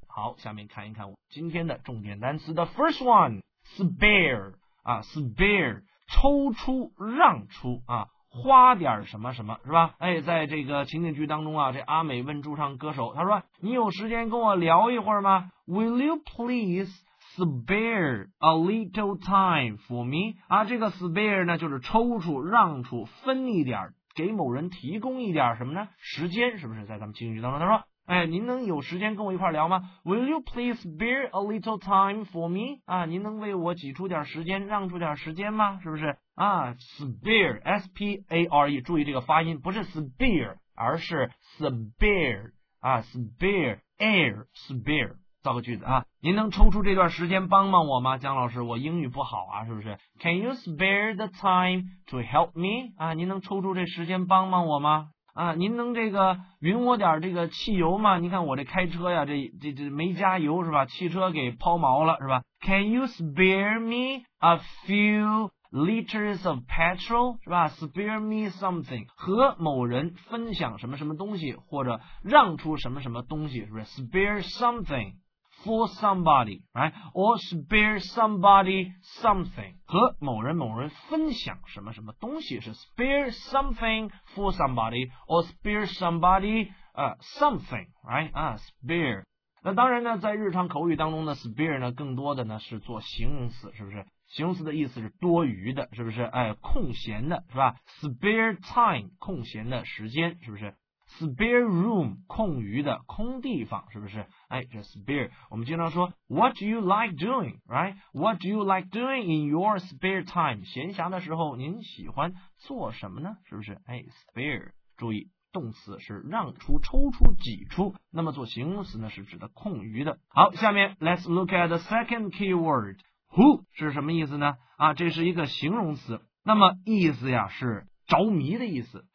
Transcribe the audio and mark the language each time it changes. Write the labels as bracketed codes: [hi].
[zh] 好，下面看一看我今天的重点单词。 [en] The first one spare [zh] 啊 ，spare 抽出让出啊花点什么什么，是吧？哎，在这个情景剧当中啊，这阿美问驻唱歌手，他说，你有时间跟我聊一会儿吗？ [en] Will you please spare a little time for me? [zh] 啊，这个 spare 呢，就是抽出，让出，分一点，给某人提供一点什么呢？时间，是不是在咱们情景剧当中，他说，哎，您能有时间跟我一块聊吗？ [en] Will you please spare a little time for me? [zh] 啊，您能为我挤出点时间，让出点时间吗？是不是？啊， spare, S-P-A-R-E, 注意这个发音，不是 spare, 而是 spare, 啊， spare, air, spare, 造个句子啊。您能抽出这段时间帮帮我吗？姜老师，我英语不好啊，是不是？ [en] Can you spare the time to help me? [zh] 啊，您能抽出这时间帮帮我吗？啊，您能这个匀我点这个汽油吗？你看我这开车呀，这没加油是吧？汽车给抛锚了是吧？ [en] Can you spare me a few liters of petrol? [zh] 是吧？ [en] Spare me something. [zh] 和某人分享什么什么东西，或者让出什么什么东西，是不是？ [en] Spare something for somebody, right? Or spare somebody something. [zh] 和某人分享什么什么东西， [en] 是 spare something for somebody, or spare somebody, something, right? Spare. [zh] 那当然呢，在日常口语当中呢 spare 呢更多的呢是做形容词，是不是？形容词的意思是多余的，是不是？哎，空闲的，是吧？spare time 空闲的时间，是不是？ spare room 空余的，空地方，是不是？哎，这 spare 我们经常说 [en] what do you like doing, right? What do you like doing in your spare time? [zh] 闲暇的时候您喜欢做什么呢？是不是？哎， spare, 注意动词是让出、抽出、挤出，那么做形容词呢是指的空余的。好，下面 [en] let's look at the second keyword. [zh] Who 是什么意思呢？啊，这是一个形容词，那么意思呀是着迷的意思。